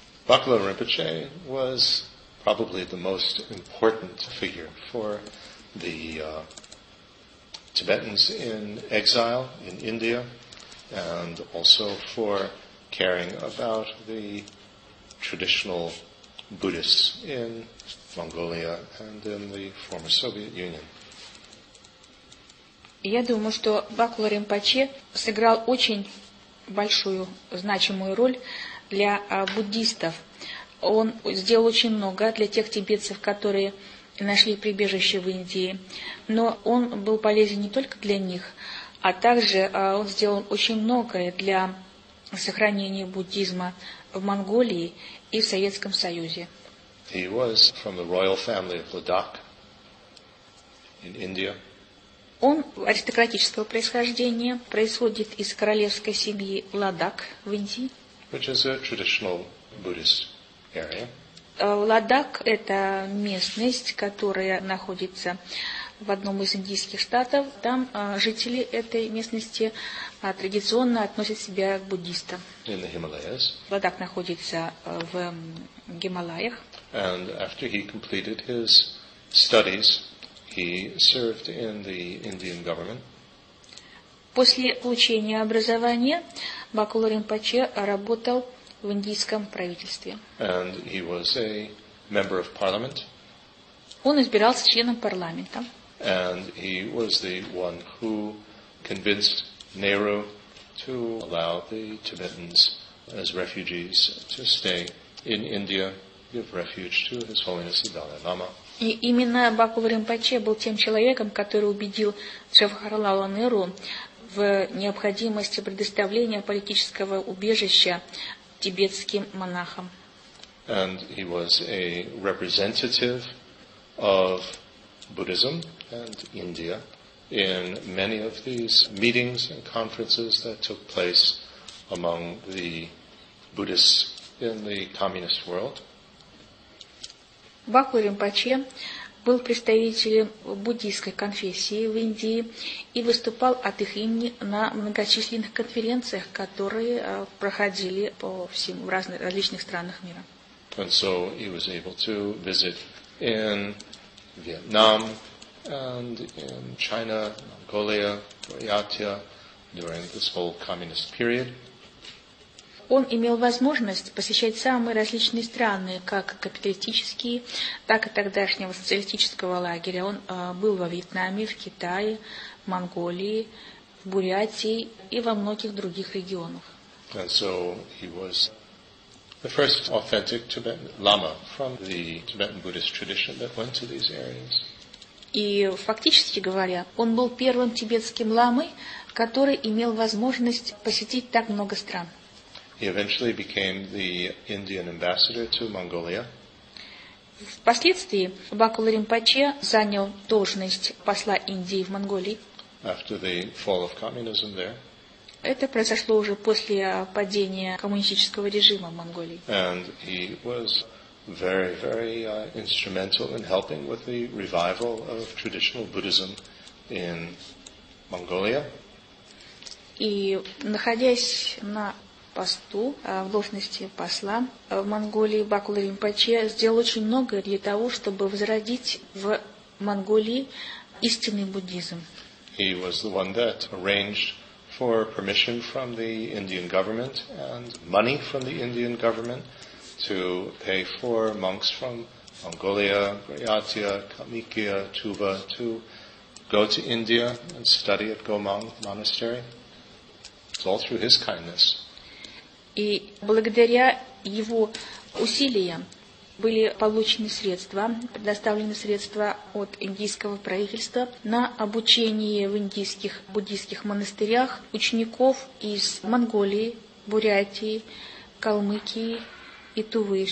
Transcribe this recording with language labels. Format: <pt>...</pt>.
<en>Pakuwa Rinpoche was probably the most important figure for the Tibetans in exile in India, and also for caring about the traditional Buddhists in Mongolia and in the former Soviet Union.</en> <ru>Я думаю, что Пакуа Ринпоче сыграл очень большую, значимую роль для буддистов. Он сделал очень много для тех тибетцев, которые нашли прибежище в Индии. Но он был полезен не только для них, а также он сделал очень многое для сохранения буддизма в Монголии и в Советском Союзе.</ru> <en>He was from the royal family of Ladakh in India.</en> <ru>Он аристократического происхождения, происходит из королевской семьи Ладак в Индии.</ru> <en>Which is a traditional Buddhist area.</en> <ru>Ладак – это местность, которая находится в одном из индийских штатов. Там жители этой местности традиционно относят себя к буддистам.</ru> <en>In the Himalayas.</en> <ru>Ладак находится в Гималаях.</ru> <en>And after he completed his studies, he served in the Indian government.</en> <ru>После получения образования Пакуа Ринпоче работал в индийском правительстве.</ru> <en>And he was a member of parliament.</en> <ru>Он избирался членом парламента.</ru> <en>And he was the one who convinced Nehru to allow the Tibetans as refugees to stay in India, give refuge to His Holiness the Dalai Lama.</en> <ru>И именно Бакула Ринпоче был тем человеком, который убедил Джавахарлала Неру в необходимости предоставления политического убежища тибетским монахам.</ru> <en>And he was a representative of Buddhism and India in many of these meetings and conferences that took place among the Buddhists in the communist world.</en> <ru>Бакула Ринпоче был представителем буддийской конфессии в Индии и выступал от их имени на многочисленных конференциях, которые проходили по всем в разных различных странах мира.</ru> <en>And so he was able to visit in Vietnam and in China, Mongolia, Buryatia during this whole communist period.</en> <ru>Он имел возможность посещать самые различные страны, как капиталистические, так и тогдашнего социалистического лагеря. Он был во Вьетнаме, в Китае, в Монголии, в Бурятии и во многих других регионах.</ru> <en>And so he was the first authentic Tibetan lama from the Tibetan Buddhist tradition that went to these areas.</en> <ru>И фактически говоря, он был первым тибетским ламой, который имел возможность посетить так много стран.</ru> <en>He eventually became the Indian ambassador to Mongolia.</en> <ru>Впоследствии Бакула Ринпоче занял должность посла Индии в Монголии.</ru> <en>After the fall of communism there.</en> <ru>Это произошло уже после падения коммунистического режима в Монголии.</ru> <en>And he was very, very instrumental in helping with the revival of traditional Buddhism in Mongolia.</en> <ru>И находясь на посту, в должности посла в Монголии, Бакула Ринпоче сделал очень многое для того, чтобы возродить в Монголии истинный буддизм.</ru> <en>He was the one that arranged for permission from the Indian government and money from the Indian government to pay for monks from Mongolia, Buryatia, Калмыкия, Тува to go to India and study at Gomong Monastery. It's all through his kindness.</en> <ru>И благодаря его усилиям были получены средства, предоставлены средства от индийского правительства на обучение в индийских буддийских монастырях учеников из Монголии, Бурятии, Калмыкии и Тувы.</ru>